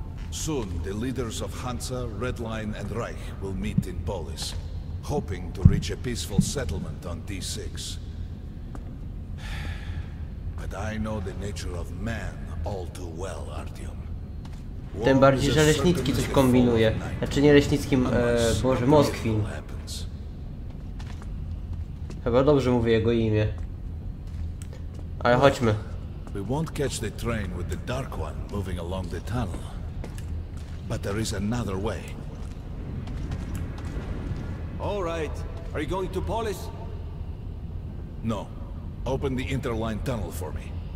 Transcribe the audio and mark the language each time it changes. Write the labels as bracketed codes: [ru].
[en] Soon, the leaders of Hansa, Redline and Reich will meet in Polis, hoping to reach a peaceful settlement on D6. But I know the nature of man all too well, Artyom. [pl] Tym bardziej, że Leśnicki coś kombinuje. Znaczy nie Leśnicki, Boże, Moskwin. Chyba dobrze mówię jego imię. Ale chodźmy. [en] We won't catch the train with the Dark One moving along the tunnel. But there is another way. All right. Are you going to Polis? No. Open the Interline tunnel for me.